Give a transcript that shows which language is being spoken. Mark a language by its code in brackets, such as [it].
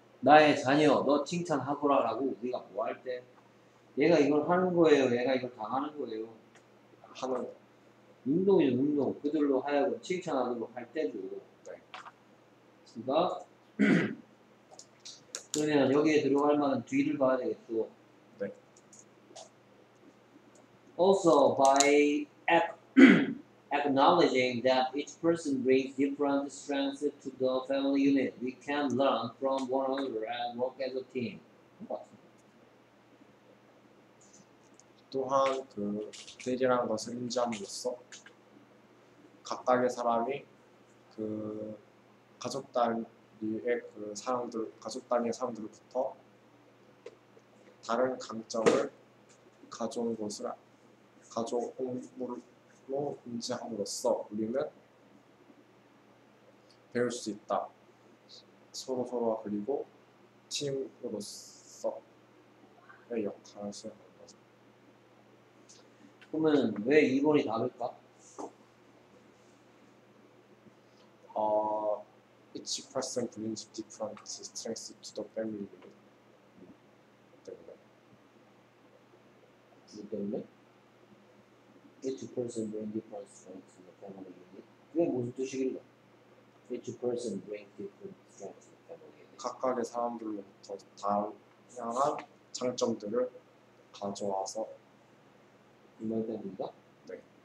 [ko] 나의 자녀, 너 칭찬하고라라고 우리가 뭐 할 때 얘가 이걸 하는 거예요, 얘가 이걸 당하는 거예요 하는 운동이죠, 운동. 그들로 하여금 칭찬하도록 할 때도 네. 그러니까 그러면 여기에 들어갈 만한 뒤를 봐야 되겠고 네. [en] Also, by acknowledging that each person brings different strengths to the family unit, we can learn from one another and work as a team. [ko] 또한 그 대리라는 것을 인지함으로써 각각의 사람이 그 가족 단위의 그 사람들 가족 단위의 사람들로부터 다른 강점을 가져온 것을 가져온 것을 인지함으로써 우리는 배울 수 있다. 서로서로와 그리고 팀으로서의 역할을 수행하는 거죠. 그러면 왜 2번이 다를까? [en] Each person brings different strengths to the family. [ko] 그 때문에? [en] Each person brings different strengths to the family unit. [ko] 그게 무슨 뜻이길래? [en] Each person brings different strengths to the family unit. [ko] 각각의 사람들로부터 다양한 장점들을 가져와서 이 말 때문인가? 네.